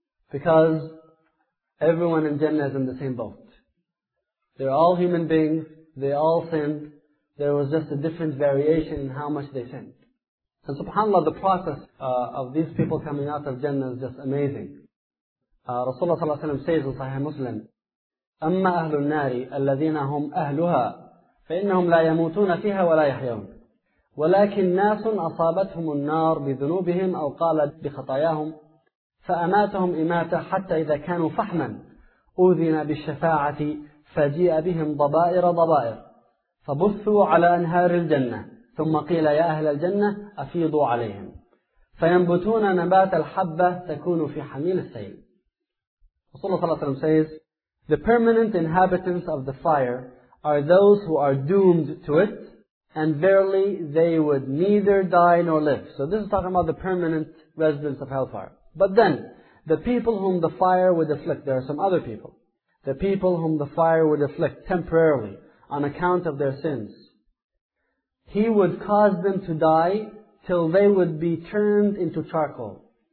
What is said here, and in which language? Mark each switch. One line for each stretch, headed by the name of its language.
English: Because everyone in Jannah is in the same boat. They're all human beings. They all sinned. There was just a different variation in how much they sinned. And subhanAllah, the process of these people coming out of Jannah is just amazing. Rasulullah ﷺ says in Sahih Muslim,
Arabic: أَمَّا أَهْلُ النَّارِ الَّذِينَ هُمْ أَهْلُهَا فَإِنَّهُمْ لَا يَمُوتُونَ فِيهَا وَلَا يَحْيَوْنَ وَلَكِنْ نَاسٌ أَصَابَتْهُمُ النَّارِ بِذُنُوبِهِمْ أَوْ قَالَتْ بِخَطَايَاهُمْ فَأَمَاتَهُمْ إِمَاتَهُ حَتَّى إِذَا كَانُوا فَحْمًا أُوذِنَ بِالشَّفَاعَةِ فَجِئَ بِهِمْ ضَبَائِرَ ضَبَائِرَ فَبُثُّوا عَلَى أَنْهَارِ الْجَنَّةِ ثُمَّ قِيلَ يَا أَهْلَ الْجَنَّةِ أَفِيضُوا عَلَيْهِمْ فَيَنْبُتُونَ نَبَاتَ الْحَبَّةِ تَكُونُ فِي حَمِيلِ السَّيْلِ.
English: Rasulullah
Arabic: صلى الله عليه وسلم
English: says, the permanent inhabitants of the fire are those who are doomed to it, and verily they would neither die nor live. So this is talking about the permanent residents of hellfire. But then, the people whom the fire would afflict, there are some other people, the people whom the fire would afflict temporarily on account of their sins, he would cause them to die till they would be turned into charcoal.